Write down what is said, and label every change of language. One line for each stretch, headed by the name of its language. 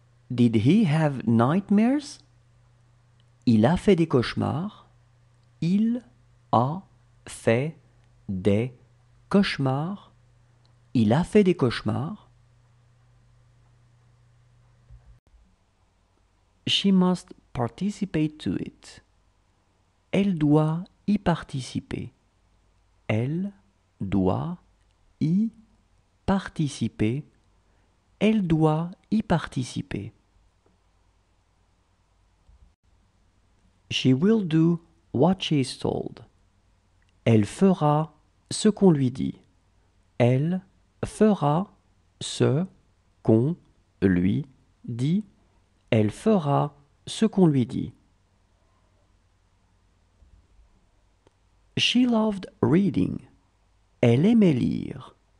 English: Did he have nightmares?
French: Il a fait des cauchemars. Il a fait des cauchemars. Il a fait des cauchemars.
English: She must participate to it.
French: Elle doit y participer. Elle doit y participer. Elle doit y participer.
English: She will do what she is told.
French: Elle fera ce qu'on lui dit. Elle fera ce qu'on lui dit. Elle fera ce qu'on lui dit.
English: She loved reading.
French: Elle aimait lire.